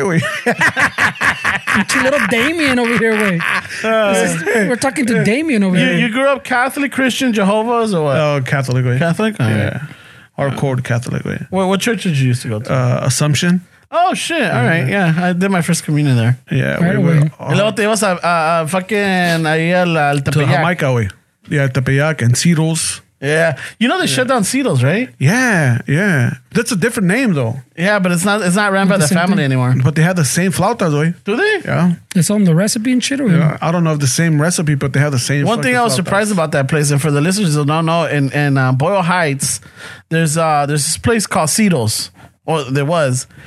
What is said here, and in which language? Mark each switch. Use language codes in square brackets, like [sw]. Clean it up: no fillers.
[en] Pinche little Damien over here. Wait. We're talking to Damien over here. You grew up Catholic, Christian, Jehovah's, or what? Oh, Catholic. Wait. Catholic? Oh, yeah. Hardcore Catholic. Wait. What church did you used to go to? Assumption. Oh shit! All right, yeah, I did my first communion there. Yeah, right away. [es] Luego te ibas a fucking ahí al Tepeyac. [en] To Jamaica, we. Yeah, Tepeyac and Cedros. Yeah, you know they shut down Cedros, right? Yeah. That's a different name, though. Yeah, but it's not ran by the family anymore. But they have the same flautas, we. Do they? Yeah, it's on the recipe and shit. Or yeah, I don't know if the same recipe, but they have the same. One thing I was surprised about that place, and for the listeners who don't know, in Boyle Heights, there's this place called Cedros. Well, there was.